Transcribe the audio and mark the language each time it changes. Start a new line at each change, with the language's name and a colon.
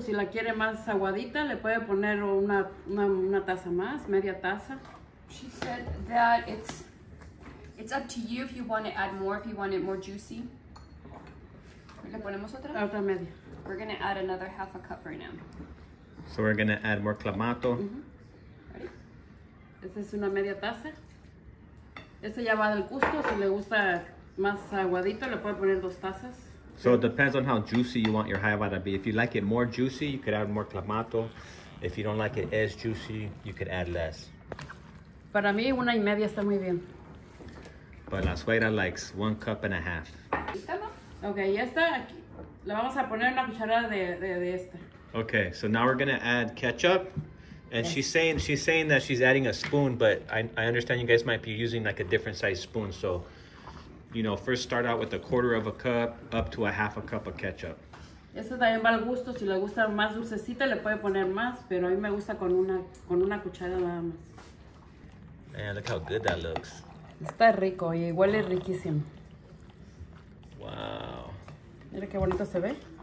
Spanish: Si la quiere más aguadita, le puede poner una taza más, media taza.
English: She said that it's up to you if you want to add more, if you want it more juicy.
Spanish: ¿Le ponemos otra? Otra media.
English: We're going to add another half a cup right now. So we're going to add more clamato.
Spanish: Mm-hmm.
English: Ready?
Spanish: Esa es una media taza. Eso ya va al gusto. Si le gusta más aguadito, le puede poner dos tazas.
English: So it depends on how juicy you want your jaiba to be. If you like it more juicy, you could add more clamato. If you don't like it as juicy, you could add less.
Spanish: Para mí, una y media está muy bien.
English: But
Spanish: la suegra
English: likes one cup and a half.
Spanish: Okay, y esta aquí. La vamos a poner una cucharada de esta.
English: Okay, so now we're going to add ketchup. And yes. she's saying that she's adding a spoon, but I understand you guys might be using like a different size spoon, so... You know, first start out with a quarter of a cup up to a half a cup of ketchup.
Spanish: Eso también va al gusto. Si le gusta más dulcecita, le puede poner más. Pero a mí me gusta con una cucharada nada más.
English: Man, look how good that looks.
Spanish: Está rico y huele riquísimo.
English: Wow.
Spanish: Mira qué bonito se ve.